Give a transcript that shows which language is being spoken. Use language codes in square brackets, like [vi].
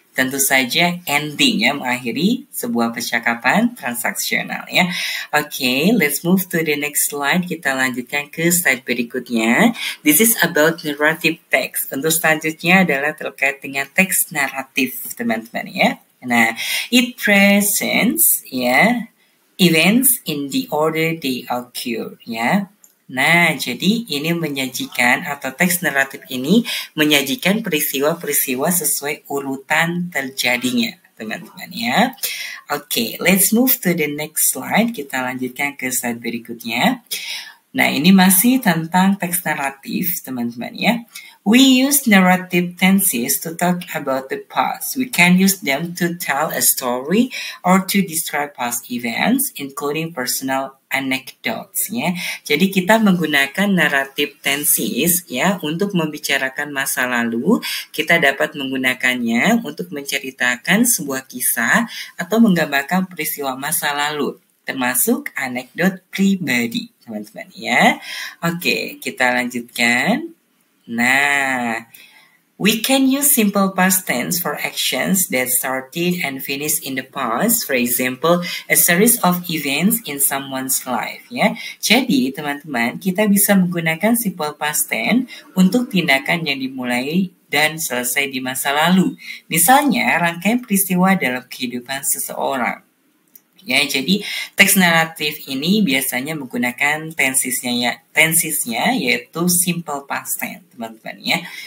[id] Tentu saja ending, ya, mengakhiri sebuah percakapan transaksional, ya. [en] Okay, let's move to the next slide. [id] Kita lanjutkan ke slide berikutnya. [en] This is about narrative text. [id] Untuk selanjutnya adalah terkait dengan teks naratif, teman-teman, ya. [en] Nah, it presents, ya, events in the order they occur, ya. [id] Nah, jadi ini menyajikan atau teks naratif ini menyajikan peristiwa-peristiwa sesuai urutan terjadinya, teman-teman, ya. [en] Okay, let's move to the next slide. [id] Kita lanjutkan ke slide berikutnya. Nah, ini masih tentang teks naratif, teman-teman, ya. [en] We use narrative tenses to talk about the past. We can use them to tell a story or to describe past events, including personal anecdotes, ya. [id] Jadi kita menggunakan narrative tenses, ya, untuk membicarakan masa lalu. Kita dapat menggunakannya untuk menceritakan sebuah kisah atau menggambarkan peristiwa masa lalu, termasuk anekdot pribadi, teman-teman, ya. Oke, kita lanjutkan. [en] Nah, we can use simple past tense for actions that started and finished in the past. For example, a series of events in someone's life. [id] Ya, jadi teman-teman, kita bisa menggunakan simple past tense untuk tindakan yang dimulai dan selesai di masa lalu. Misalnya, rangkaian peristiwa dalam kehidupan seseorang. Ya, jadi teks naratif ini biasanya menggunakan tensesnya yaitu simple past tense, teman-teman, ya.